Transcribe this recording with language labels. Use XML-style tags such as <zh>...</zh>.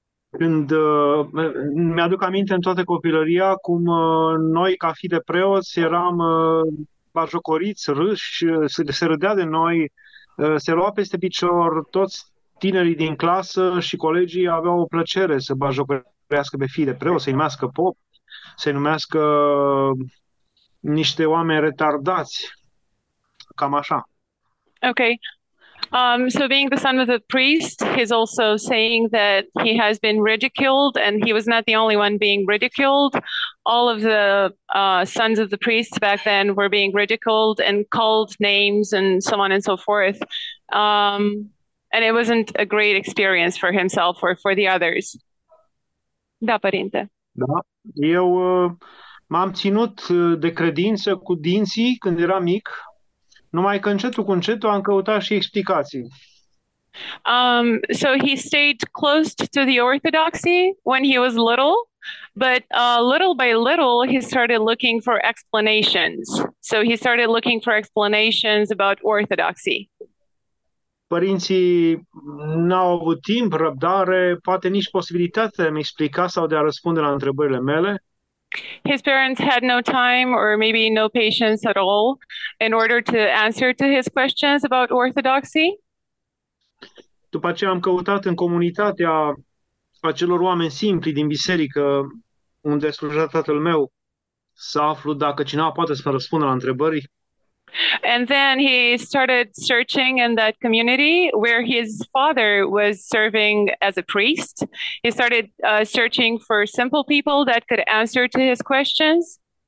<ro>Când mi-aduc aminte în toată copilăria, cum noi, ca fi de preoți, eram bajocoriți, râși, se râdea de noi, se lua peste picior, toți tinerii din clasă și colegii aveau o plăcere să bajocorească pe fii de preoți, să-i numească pop, să-i numească niște oameni retardați. Cam așa.</ro> <en>Okay. So being the son of a priest, he's also saying that he has been ridiculed, and he was not the only one being ridiculed. All of the sons of the priests back then were being ridiculed and called names and so on and so forth. And it wasn't a great experience for himself or for the others.</en> <ro>Da, părinte. Da. Eu m-am ținut de credință cu dinții când eram mic. Numai că încetul cu încetul am căutat și explicații.</ro> <en>So he stayed close to the orthodoxy when he was little, but little by little he started looking for explanations. So he started looking for explanations about orthodoxy.</en> <ro>Părinții n-au avut timp, răbdare, poate nici posibilitatea de a-mi explica sau de a răspunde la întrebările mele.</ro> <en>His parents had no time or maybe no patience at all in order to answer to his questions about orthodoxy.</en> <ro>După aceea am căutat în comunitatea acelor oameni simpli din biserică unde sluja tatăl meu să aflu dacă cineva poate să mă răspundă la întrebări.</ro> <en>And then he started searching in that community where his father was serving as a priest. He started searching for simple people that could answer to his questions.</en>